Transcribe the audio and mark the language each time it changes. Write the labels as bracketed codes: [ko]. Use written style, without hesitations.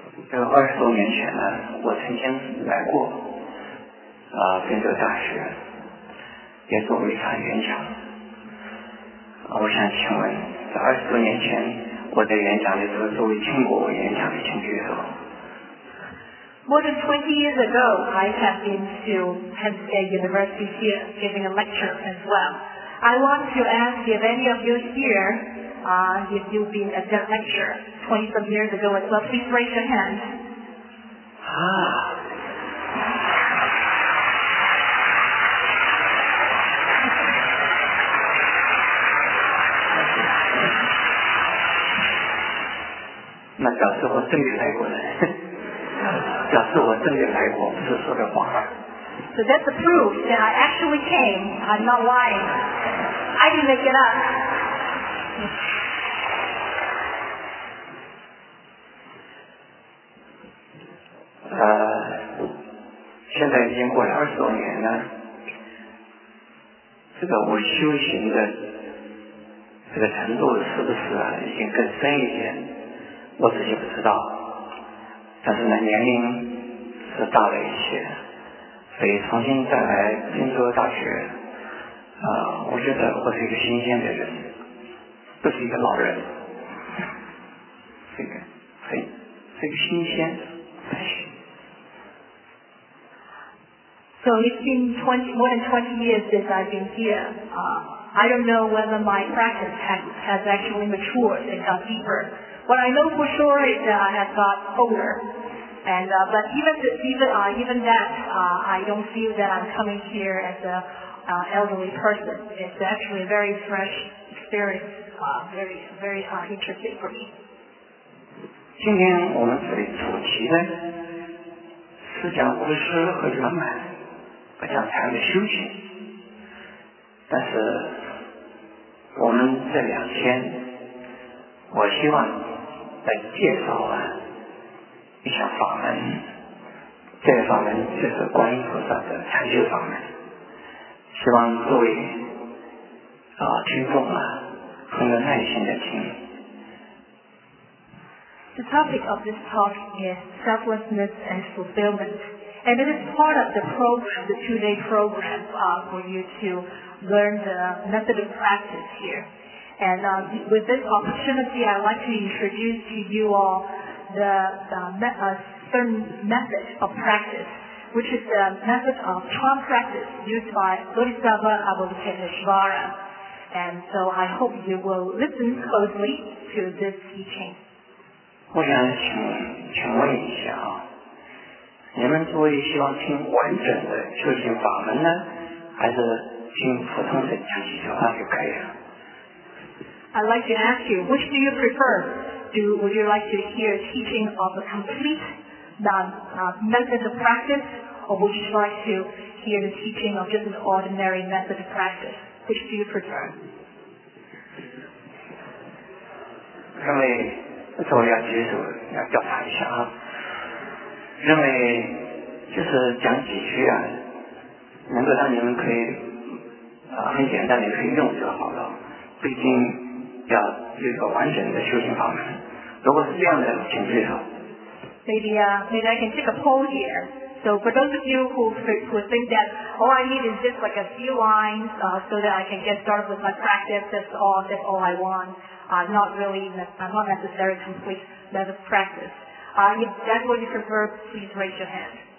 [zh] 这个20多年前呢，我曾经来过滨州大学，也做过一场演讲。我想请问，在20多年前我在演讲的时候，作为听过我演讲的听众的时候 [en] ，More than 20 years ago, I have been to Penn State University here giving a lecture as well. I want to ask if any of you here. If you've been at that lecture 20 some years ago as well, please raise your hand. Ah. [zh] 那表示我真的来过了。表示我真的来过，不是说的谎。 [en] So that's the proof that I actually came. I'm not lying. I didn't make it up. [zh] 现在已经过了20多年了，这个我修行的这个程度是不是已经更深一点，我自己不知道，但是呢年龄是大了一些，所以重新再来滨州大学我觉得我是一个新鲜的人，不是一个老人，是一个新鲜。 [en] So it's been more than 20 years since I've been here. I don't know whether my practice has actually matured and got deeper. What I know for sure is that I have got older. But even that, I don't feel that I'm coming here as an elderly person. It's actually a very fresh experience, very, very interesting for me. [zh] 今天我们这里主题呢是讲无私和圆满。我想谈个修行，但是我们这两天我希望来介绍啊一项法门，这个法门就是观音菩萨的禅修法门，希望各位听众啊很有耐心的听。 [en] The topic of this talk is selflessness and fulfillmentAnd it is part of the program, the two-day program, for you to learn the method of practice here. And with this opportunity, I'd like to introduce to you all a certain method of practice, which is the method of Chan practice used by Bodhisattva Avalokiteshvara. And so I hope you will listen closely to this teaching. [zh] 我想请问一下啊。你们诸位希望听完整的修行法门呢，还是听普通的讲几句话就可以了？ [en] I'd like to ask you, which do you prefer? Would you like to hear teaching of a complete method of practice, or would you like to hear the teaching of just an ordinary method of practice? Which do you prefer? [zh] 因为这我要举手要调查一下啊。认为就是讲几句啊，能够让你们可以很简单的可以用就好了，不一定要有一个完整的修行法门。如果是这样的，请举手。 [en] Maybe I can take a poll here. So for those of you who think that all I need is just like a few lines, so that I can get started with my practice, that's all I want. not necessarily complete method of practice. If that's what you prefer, please raise your hand.